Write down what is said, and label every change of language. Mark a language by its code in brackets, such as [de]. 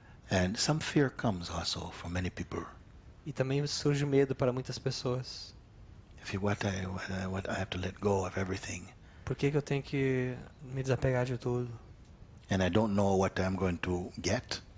[en] And some fear comes also for many people. [pt] E também surge medo para muitas pessoas. [en] If what I have to let go of everything. [pt] Por que eu tenho que me desapegar de tudo? [en] And I don't know what I'm going to get.